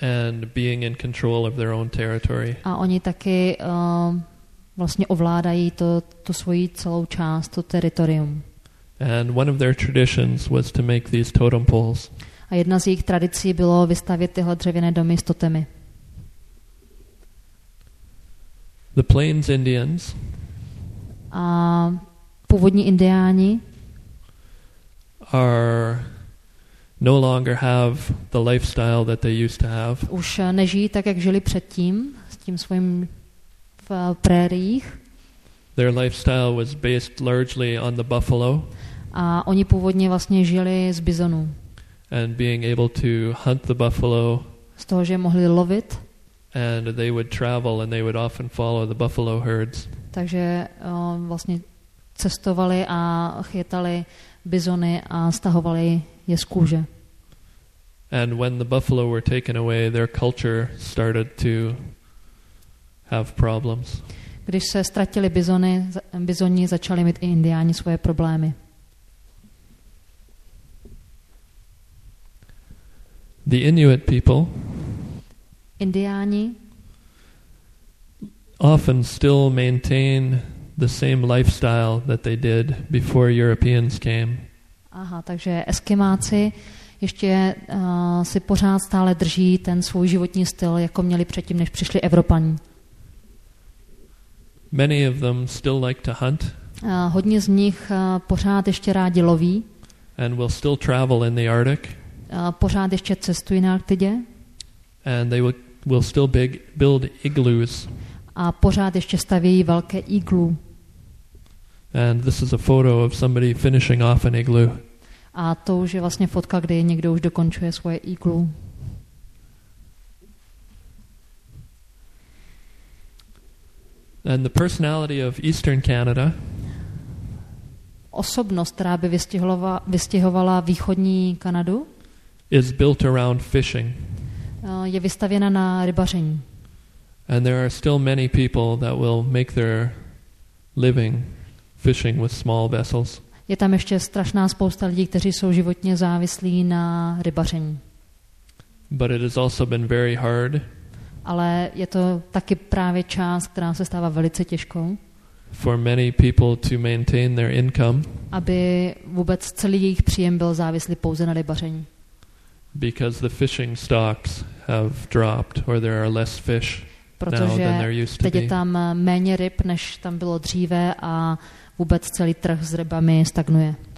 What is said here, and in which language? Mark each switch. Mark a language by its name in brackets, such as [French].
[English] And being in control of their own territory. [Czech] A oni taky vlastně ovládají tu svoji celou část, to teritorium. [English] And one of their traditions was to make these totem poles. [Czech] A jedna z jejich tradicí bylo vystavět tyhle dřevěné domy s totemy. [English] The Plains Indians. [Czech] A původní Indiáni. [English] Are no longer have the lifestyle that they used to have. [Czech] Už nežijí tak, jak žili předtím, s tím svým v prériích. [English] Their lifestyle was based largely on the buffalo. [Czech] A oni původně vlastně žili z bizonu. [English] And being able to hunt the buffalo. [Czech] Z toho, že mohli lovit. [English] And they would travel and they would often follow the buffalo herds. [Czech] Takže vlastně cestovali a chytali bizony a stahovali je z kůže. [English] And when the buffalo were taken away, their culture started to have problems. [Czech] Když se ztratili bizoni začali mít i Indiáni svoje problémy. [English] The Inuit people [Czech] Indiáni [English] often still maintain the same lifestyle that they did before Europeans came. [Czech] Aha, takže Eskimáci ještě si pořád stále drží ten svůj životní styl, jako měli předtím, než přišli Evropani. [English] Many of them still like to hunt. [Czech] Hodně z nich pořád ještě rádi loví. [English] And will still travel in the Arctic. [Czech] Pořád ještě cestují na Arktidě. [English] And they will still build igloos. [Czech] A pořád ještě stavějí velké iglu. [English] And this is a photo of somebody finishing off an igloo. [Czech] A to už je vlastně fotka, kdy někdo už dokončuje svoje iglu. [English] And the personality of Eastern Canada. [Czech] Osobnost, která by vystěhovala východní Kanadu. [English] Is built around fishing. [Czech] Je vystavěna na rybaření. [English] And there are still many people that will make their living fishing with small vessels. [Czech] Je tam ještě strašná spousta lidí, kteří jsou životně závislí na rybaření. [English] But it has also been very hard. [Czech] Ale je to taky právě část, která se stává velice těžkou. [English] For many people to maintain their income. [Czech] Aby vůbec celý jejich příjem byl závislý pouze na rybaření. [English] Because the fishing stocks have dropped or there are less fish. [Czech] Protože teď je tam méně ryb, než tam bylo dříve a vůbec celý trh s rybami stagnuje.